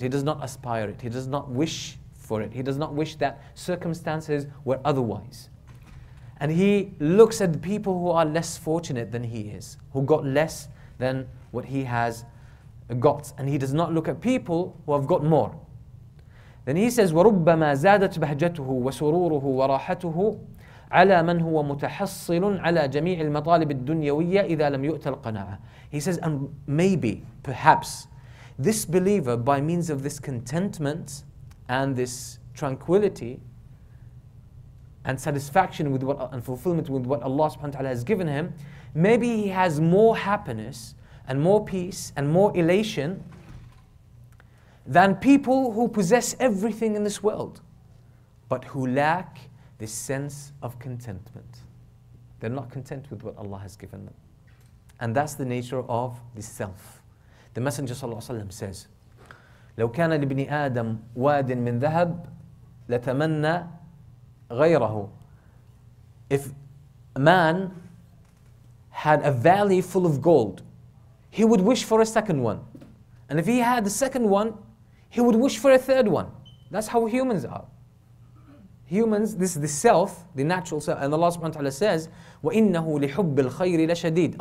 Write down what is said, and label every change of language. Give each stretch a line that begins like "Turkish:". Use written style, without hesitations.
English: He does not aspire it. He does not wish for it. He does not wish that circumstances were otherwise. And he looks at the people who are less fortunate than he is, who got less than what he has gods, and he does not look at people who have got more. Then he says,
Arabic: وَرُبَّمَا زَادَتْ بَهْجَتُهُ وَسُرُورُهُ وَرَاحَتُهُ عَلَى مَنْ هُوَ مُتَحَصِّلٌ عَلَى جَمِيعِ الْمَطَالِبِ الدُّنْيَوِيَّ إِذَا لَمْ يُؤْتَ الْقَنَاعَةِ.
English: He says, and maybe, perhaps, this believer, by means of this contentment and this tranquility and satisfaction with what, and fulfillment with what Allah subhanahu wa ta'ala has given him, maybe he has more happiness and more peace and more elation than people who possess everything in this world, but who lack this sense of contentment. They're not content with what Allah has given them. And that's the nature of the self. The Messenger sallallahu alaihi wasallam says,
Arabic: لو كان لابن آدم واد من ذهب لتمنى غيره.
English: If a man had a valley full of gold, he would wish for a second one. And if he had a second one, he would wish for a third one. That's how humans are. Humans, this is the self, the natural self. And Allah subhanahu wa ta'ala says,
Arabic: وَإِنَّهُ لِحُبِّ الْخَيْرِ لَشَدِيدٍ.